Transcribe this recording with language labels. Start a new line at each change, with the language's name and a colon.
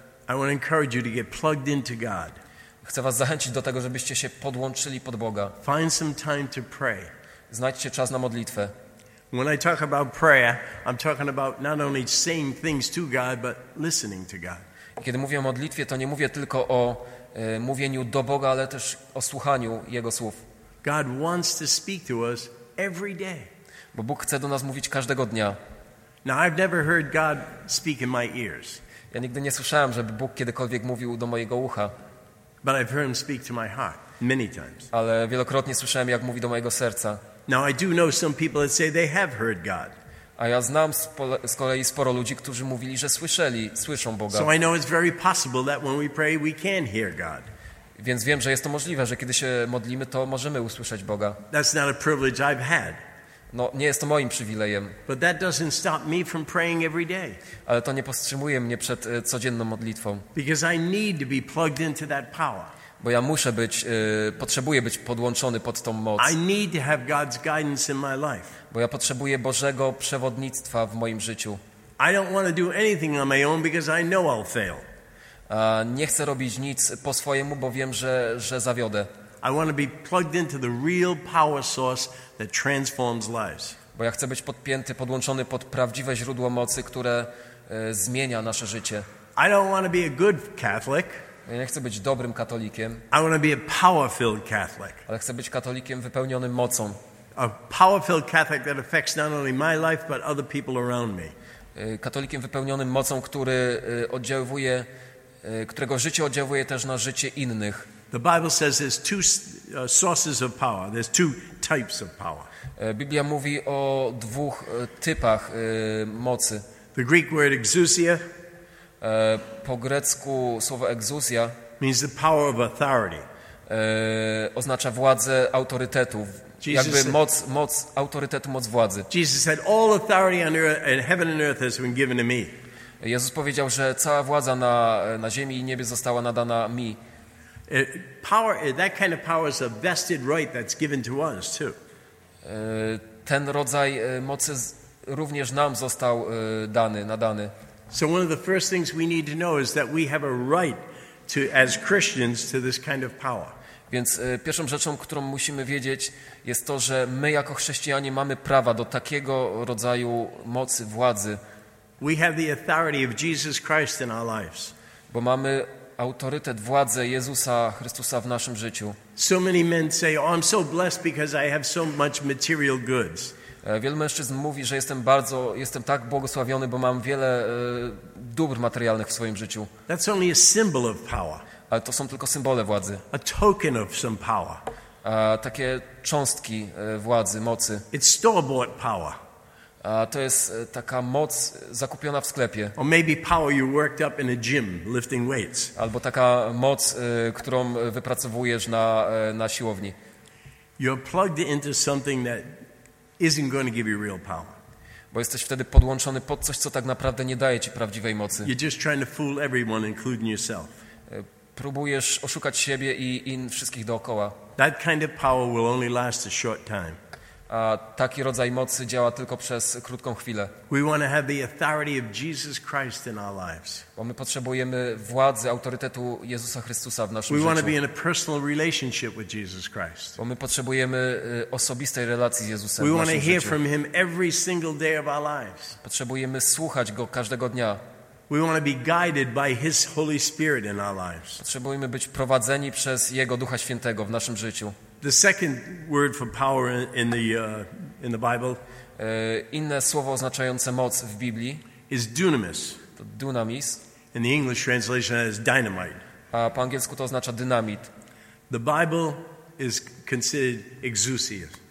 English: I want to encourage you to get plugged into God.
Polish: Chcę was zachęcić do tego, żebyście się podłączyli pod Boga.
English: Find some time to pray.
Polish: Znajdźcie czas na modlitwę.
English: When I talk about prayer, I'm talking about not only saying things to God, but listening to God.
Polish: Kiedy mówię o modlitwie, to nie mówię tylko o mówieniu do Boga, ale też o słuchaniu Jego słów.
English: God wants to speak to us every day.
Polish: Bo Bóg chce do nas mówić każdego dnia.
English: Now, I've never heard God speak in my ears.
Polish: Ja nigdy nie słyszałem, żeby Bóg kiedykolwiek mówił do mojego ucha.
English: But I've heard him speak to my heart many times.
Polish: Ale wielokrotnie słyszałem, jak mówi do mojego serca.
English: Now, I do know some people that say they have heard God.
Polish: A ja znam z kolei sporo ludzi, którzy mówili, że słyszą Boga.
English: So I know it's very possible that when we pray, we can hear God.
Polish: Więc wiem, że jest to możliwe, że kiedy się modlimy, to możemy usłyszeć Boga.
English: That's not a privilege I've had.
Polish: No, nie jest to moim przywilejem.
English: But that doesn't stop me from praying every day.
Polish: Ale to nie powstrzymuje mnie przed codzienną modlitwą.
English: Because I need to be plugged into that power.
Polish: Bo ja muszę być, potrzebuję być podłączony pod tą moc.
English: I need to have God's guidance in my life.
Polish: Bo ja potrzebuję Bożego przewodnictwa w moim życiu.
English: I don't want to do anything on my own because I know I'll fail.
Polish: Nie chcę robić nic po swojemu, bo wiem, że zawiodę.
English: I want to be plugged into the real power source that transforms lives.
Polish: Bo ja chcę być podłączony pod prawdziwe źródło mocy, które zmienia nasze życie.
English: I don't want to be a good Catholic.
Polish: Ja nie chcę być dobrym katolikiem.
English: I want to be a power-filled Catholic.
Polish: Ale chcę być katolikiem wypełnionym mocą.
English: A power-filled Catholic that affects not only my life but other people around me.
Polish: Katolikiem wypełnionym mocą, który oddziałuje, którego życie oddziałuje też na życie innych.
English: The Bible says there's two sources of power. There's two types of power.
Polish: Biblia mówi o dwóch typach mocy.
English: The Greek word exousia.
Polish: Po grecku słowo exousia
English: means the power of authority.
Polish: Oznacza władzę autorytetu. Jesus jakby
English: said,
Polish: moc autorytetu, moc władzy.
English: Jesus said all authority on earth and heaven and earth has been given to me.
Polish: Jezus powiedział, że cała władza na ziemi i niebie została nadana mi.
English: Power, that kind of power is a vested right that's given to us too.
Polish: Ten rodzaj mocy również nam został nadany.
English: So one of the first things we need to know is that we have a right to, as Christians, to this kind of power.
Polish: Więc pierwszą rzeczą, którą musimy wiedzieć, jest to, że my jako chrześcijanie mamy prawa do takiego rodzaju mocy, władzy.
English: We have the authority of Jesus Christ in our lives.
Polish: Bo mamy autorytet, władzę Jezusa Chrystusa w naszym życiu.
English: So many men say, oh, I'm so blessed because I have so much material goods.
Polish: Wielu mężczyzn mówi, że jestem tak błogosławiony, bo mam wiele dóbr materialnych w swoim życiu.
English: That's only a symbol of power.
Polish: Ale to są tylko symbole władzy.
English: A token of some power.
Polish: Takie cząstki władzy, mocy.
English: It's store-bought power.
Polish: To jest taka moc zakupiona w sklepie.
English: Or maybe power you worked up in a gym lifting weights.
Polish: Albo taka moc, którą wypracowujesz na siłowni.
English: You're plugged into something that isn't going to give you real power.
Polish: Bo jesteś wtedy podłączony pod coś, co tak naprawdę nie daje ci prawdziwej mocy.
English: You're just trying to fool everyone, including yourself.
Polish: Próbujesz oszukać siebie i innych wszystkich dookoła.
English: That kind of power will only last a short time.
Polish: A taki rodzaj mocy działa tylko przez krótką chwilę.
English: We want to have the authority of Jesus Christ in our lives.
Polish: Bo my potrzebujemy władzy, autorytetu Jezusa Chrystusa w naszym życiu.
English: We want to be in a personal relationship with Jesus Christ.
Polish: Bo my potrzebujemy osobistej relacji z Jezusem.
English: We want to hear from him every single day of our lives.
Polish: Potrzebujemy słuchać go każdego dnia.
English: We want to be guided by his Holy Spirit in our lives.
Polish: Potrzebujemy być prowadzeni przez Jego Ducha Świętego w naszym życiu.
English: The second word for power in the Bible.
Polish: Inne słowo oznaczające moc w Biblii
English: is dunamis.
Polish: To dunamis.
English: In the English translation it is dynamite.
Polish: A po angielsku to oznacza dynamit.
English: The Bible is considered exousia.